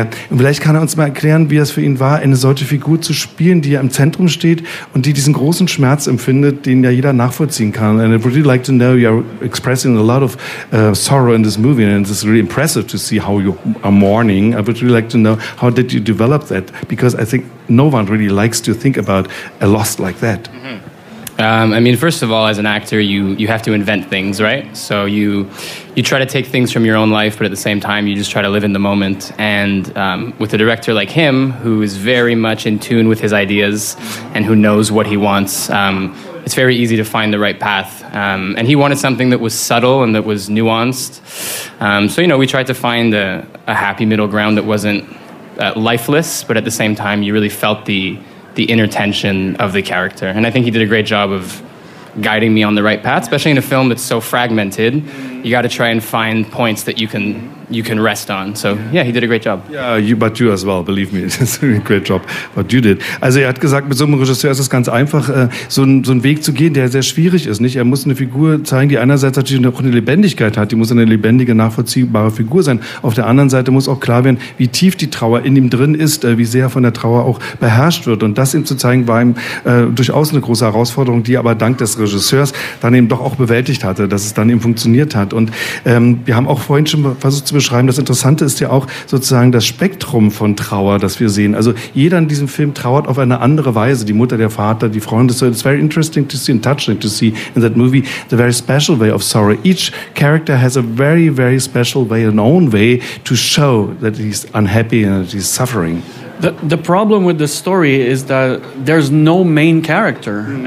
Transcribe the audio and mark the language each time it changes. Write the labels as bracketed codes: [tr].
[de] Und vielleicht kann er uns mal erklären, wie es für ihn war, eine solche Figur zu spielen, die ja im Zentrum steht und die diesen großen Schmerz empfindet, den ja jeder nachvollziehen kann. [en] And I really like to know, you are expressing a lot of sorrow in this movie and it's really impressive to see how you are mourning. I would really like to know, how did you develop that? Because I think no one really likes to think about a loss like that. Mm-hmm. I mean, first of all, as an actor, you have to invent things, right? So you try to take things from your own life, but at the same time, you just try to live in the moment. And with a director like him, who is very much in tune with his ideas and who knows what he wants, it's very easy to find the right path. And he wanted something that was subtle and that was nuanced. So, you know, we tried to find a happy middle ground that wasn't lifeless, but at the same time, you really felt the inner tension of the character. And I think he did a great job of guiding me on the right path, especially in a film that's so fragmented. You got to try and find points that you can rest on. So, yeah, he did a great job. Yeah, you as well, believe me. It's a great job, what you did. [de] Also, er hat gesagt, mit so einem Regisseur ist es ganz einfach, so einen Weg zu gehen, der sehr schwierig ist, nicht? Er muss eine Figur zeigen, die einerseits natürlich auch eine Lebendigkeit hat. Die muss eine lebendige, nachvollziehbare Figur sein. Auf der anderen Seite muss auch klar werden, wie tief die Trauer in ihm drin ist, wie sehr er von der Trauer auch beherrscht wird. Und das ihm zu zeigen, war ihm durchaus eine große Herausforderung, die er aber dank des Regisseurs dann eben doch auch bewältigt hatte, dass es dann eben funktioniert hat. Und wir haben auch vorhin schon versucht zu beschreiben, das Interessante ist ja auch sozusagen das Spektrum von Trauer, das wir sehen. Also jeder in diesem Film trauert auf eine andere Weise. Die Mutter, der Vater, die Freunde. [en] So it's very interesting to see and touching to see in that movie the very special way of sorrow. Each character has a very, very special way, an own way to show that he's unhappy and that he's suffering. The problem with the story is that there's no main character. Mm-hmm.